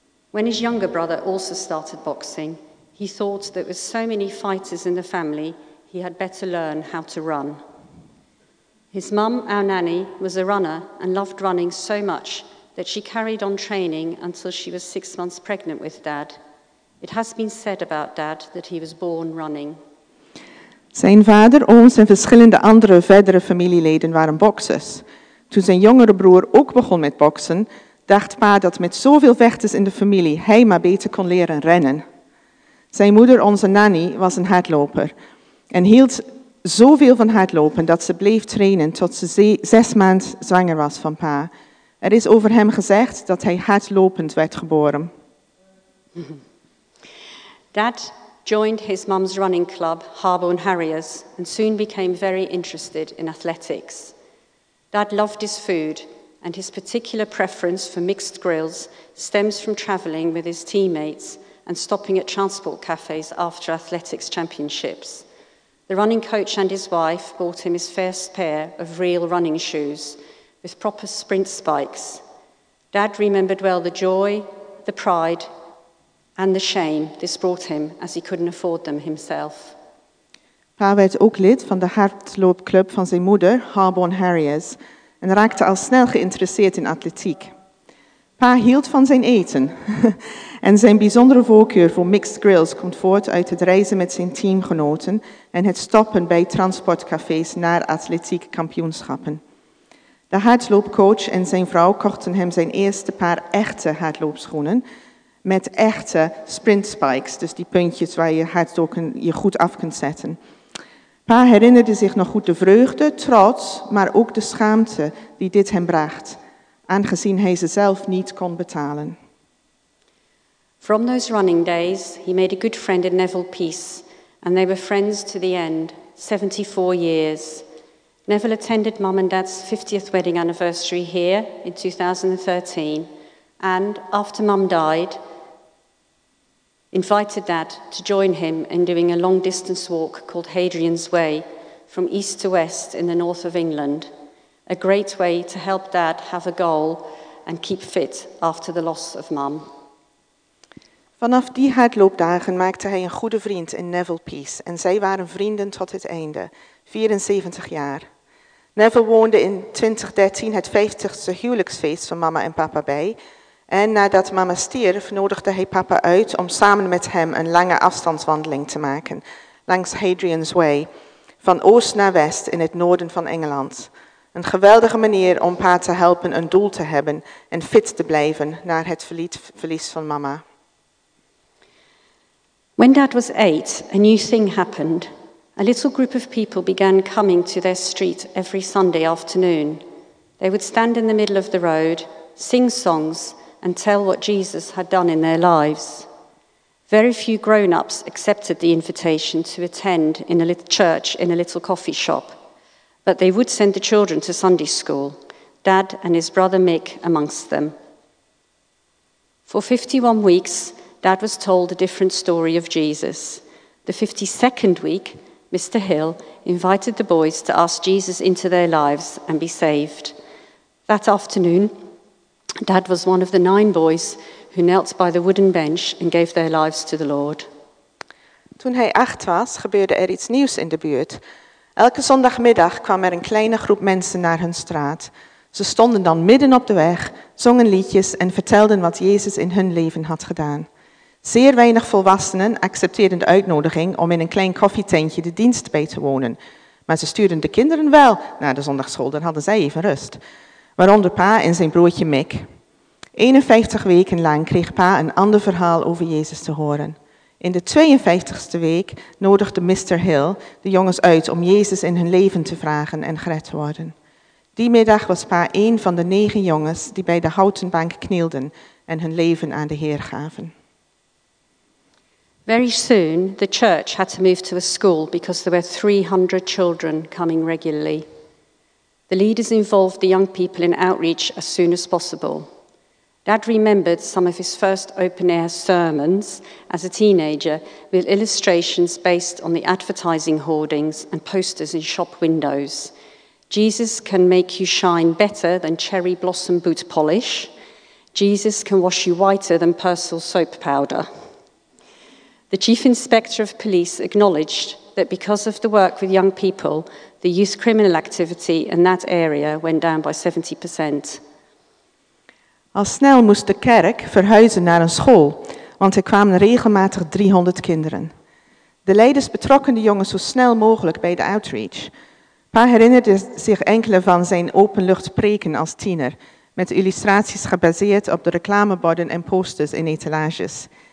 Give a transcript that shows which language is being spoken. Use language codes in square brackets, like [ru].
[en] When his younger brother also started boxing, he thought that with so many fighters in the family, he had better learn how to run. His mum, our nanny, was a runner and loved running so much that she carried on training until she was 6 months pregnant with Dad. It has been said about Dad that he was born running. [nl] Zijn vader, ooms en verschillende andere verdere familieleden waren boksers. Toen zijn jongere broer ook begon met boksen, dacht pa dat met zoveel vechters in de familie hij maar beter kon leren rennen. Zijn moeder, onze nanny, was een hardloper en hield zoveel van hardlopen dat ze bleef trainen tot ze 6 maanden zwanger was van pa. Er is over hem gezegd dat hij hardlopend werd geboren. [en] Dad joined his mum's running club, Harbourne Harriers, and soon became very interested in athletics. Dad loved his food, and his particular preference for mixed grills stems from travelling with his teammates and stopping at transport cafes after athletics championships. The running coach and his wife bought him his first pair of real running shoes with proper sprint spikes. Dad remembered well the joy, the pride, and the shame this brought him as he couldn't afford them himself. [nl] Pa werd ook lid van de hardloopclub van zijn moeder, Harbourne Harriers, en raakte al snel geïnteresseerd in atletiek. Pa hield van zijn eten en zijn bijzondere voorkeur voor mixed grills komt voort uit het reizen met zijn teamgenoten en het stoppen bij transportcafés naar atletiek kampioenschappen. De hardloopcoach en zijn vrouw kochten hem zijn eerste paar echte hardloopschoenen met echte sprint spikes, dus die puntjes waar je hart ook je goed af kunt zetten. Pa herinnerde zich nog goed de vreugde, trots, maar ook de schaamte die dit hem bracht, aangezien hij ze zelf niet kon betalen. [en] From those running days, he made a good friend in Neville Peace, and they were friends to the end, 74 years. Neville attended Mum and Dad's 50th wedding anniversary here in 2013, and after Mum died, invited Dad to join him in doing a long distance walk called Hadrian's Way from east to west in the north of England. A great way to help Dad have a goal and keep fit after the loss of Mum. [nl] Vanaf die hardloopdagen maakte hij een goede vriend in Neville Peace en zij waren vrienden tot het einde, 74 jaar. Neville woonde in 2013 het 50ste huwelijksfeest van mama en papa bij. En nadat mama stierf, nodigde hij papa uit om samen met hem een lange afstandswandeling te maken. Langs Hadrian's Way, van oost naar west in het noorden van Engeland. Een geweldige manier om pa te helpen een doel te hebben en fit te blijven na het verlies van mama. [en] When Dad was 8, a new thing happened. A little group of people began coming to their street every Sunday afternoon. They would stand in the middle of the road, sing songs, and tell what Jesus had done in their lives. Very few grown-ups accepted the invitation to attend in a little church in a little coffee shop, but they would send the children to Sunday school, Dad and his brother Mick amongst them. For 51 weeks, Dad was told a different story of Jesus. The 52nd week, Mr. Hill invited the boys to ask Jesus into their lives and be saved. That afternoon, Dad was one of the 9 boys who knelt by the wooden bench and gave their lives to the Lord. [nl] Toen hij 8 was, gebeurde er iets nieuws in de buurt. Elke zondagmiddag kwam er een kleine groep mensen naar hun straat. Ze stonden dan midden op de weg, zongen liedjes en vertelden wat Jezus in hun leven had gedaan. Zeer weinig volwassenen accepteerden de uitnodiging om in een klein koffietentje de dienst bij te wonen. Maar ze stuurden de kinderen wel naar de zondagschool, dan hadden zij even rust. Waaronder pa en zijn broertje Mick. 51 weken lang kreeg pa een ander verhaal over Jezus te horen. In de 52ste week nodigde Mr. Hill de jongens uit om Jezus in hun leven te vragen en gered te worden. Die middag was pa één van de 9 jongens die bij de houten bank knielden en hun leven aan de Heer gaven. [en] Very soon the church had to move to a school because there were 300 children coming regularly. The leaders involved the young people in outreach as soon as possible. Dad remembered some of his first open-air sermons as a teenager with illustrations based on the advertising hoardings and posters in shop windows. Jesus can make you shine better than cherry blossom boot polish. Jesus can wash you whiter than Persil soap powder. The chief inspector of police acknowledged that because of the work with young people, the youth criminal activity in that area went down by 70%. [nl] Al snel moest de kerk verhuizen naar een school, want er kwamen regelmatig 300 kinderen. De leiders betrokken de jongens zo snel mogelijk bij de outreach. Pa herinnerde zich enkele van zijn openlucht preken als tiener, met illustraties gebaseerd op de reclameborden en posters in etalages.